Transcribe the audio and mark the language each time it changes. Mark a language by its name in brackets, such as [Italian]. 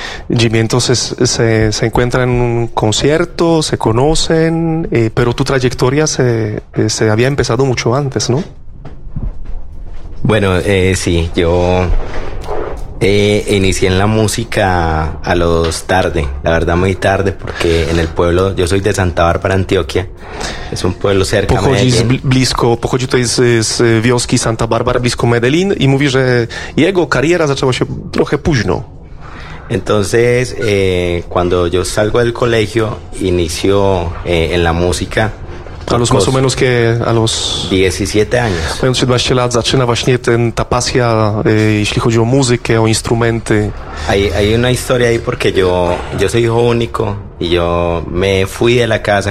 [Spanish] Jimmy, entonces se encuentra en un concierto, se conocen, pero tu trayectoria se había empezado mucho antes, ¿no? Bueno, sí, yo inicié en la música a los tarde, la verdad muy tarde, porque en el pueblo, yo soy de Santa Bárbara, Antioquia, es un pueblo cerca de Medellín. [Polish] Pochodzi tutaj z wioski Santa Bárbara, blisko Medellín, y mówi, że jego kariera zaczęła się trochę późno. [Spanish] Entonces, cuando yo salgo del colegio, inicio en la música. A los más o menos que a los 17 años. Mając 17 lat zaczyna właśnie ta pasja, jeśli chodzi o muzykę, o instrumenty. Hay una historia ahí porque yo soy hijo único y yo me fui de la casa.